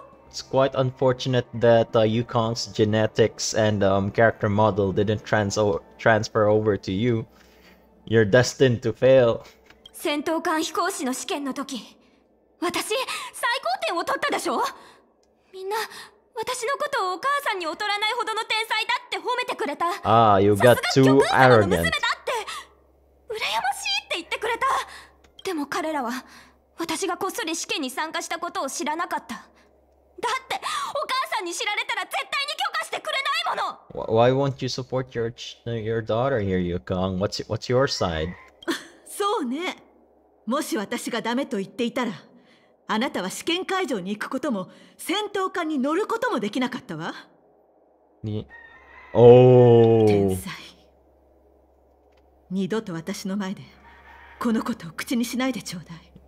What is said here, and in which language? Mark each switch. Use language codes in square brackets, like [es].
[en] It's quite unfortunate that Yukong's genetics and character model didn't transfer over to you. You're destined to fail. [ja] 戦闘艦飛行士の試験の時、私、最高点を取ったでしょ。みんな、私のことをお母さんに劣らないほどの天才だって褒めてくれた。 [en] ああ、you got too arrogant. [ja] さすが玉座の娘だって、羨ましいって言ってくれた。でも彼らは、私がこっそり試験に参加したことを知らなかった。だって、お母さんに知られたら絶対に許可してくれないもの。 [en] Why won't you support your daughter here, Yukong? What's your side? [ja] そうね。もし私がダメと言っていたら、あなたは試験会場に行くことも、戦闘艦に乗ることもできなかったわ。に、天才。二度と私の前で、このことを口にしないでちょうだい。